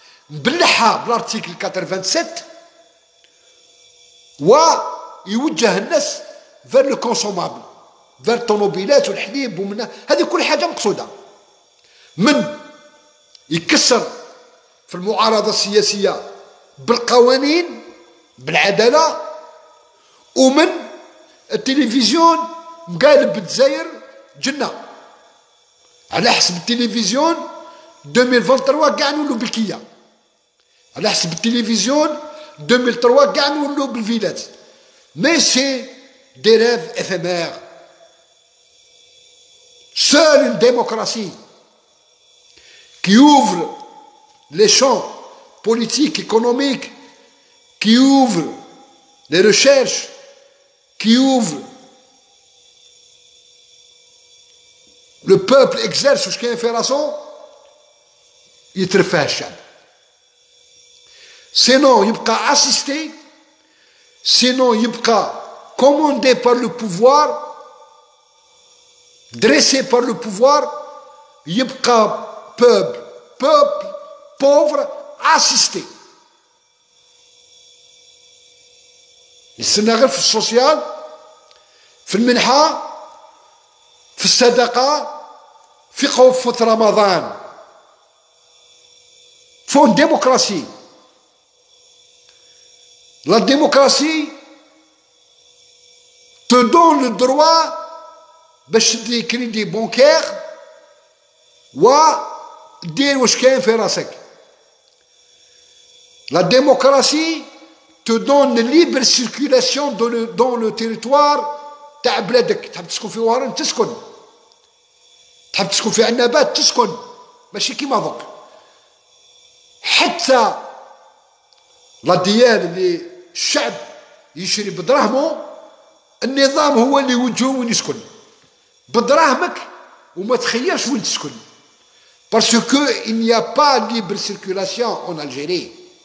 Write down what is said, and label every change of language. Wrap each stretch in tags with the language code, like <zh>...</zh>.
<ar>نبلعها بالارتيكل 87 ويوجه الناس فير لو كونسومابل، فير الطوموبيلات والحليب ومنها، هذه كل حاجه مقصوده من يكسر في المعارضه السياسيه بالقوانين بالعداله، ومن التلفزيون مقالب الجزائر جنه. على حسب التلفزيون 2023 كاع نولوا بالكيا، على حسب التلفزيون 2023 كاع نولوا بالفيلات.</ar> <fr>ماشي دي ريف افيمير، seule une démocratie qui ouvre les champs politiques, économiques, qui ouvre les recherches, qui ouvre</fr> <ar>لو بوبل اكزيرس واش كاين في راسو يترفاه الشعب. سينو يبقى اسيستي، سينو يبقى كوموندي بار لو بوفوار، دريسي بار لو بوفوار، يبقى بوبل بوبل بوفر اسيستي. يستنى غير في السوسيال، في المنحة، في الصدقة، في قوف رمضان، فون ديموكراسي. لا ديموكراسي تدون الدروا باش تدي كريدي بونكير و دير واش كاين في راسك.</ar> <fr>لا ديموكراسي te donne une libre circulation dans le territoire</fr> <ar>تاع بلادك. تحب تسكن في وهران تسكن، تحب تسكن في عنابات تسكن، ماشي كيما دوك. حتى لا ديال اللي الشعب يشري بدراهمه، النظام هو اللي يوجهه وين يسكن بدراهمك، وما تخيرش وين تسكن باسكو</ar> <fr>il n'y a pas libre circulation en Algérie.</fr>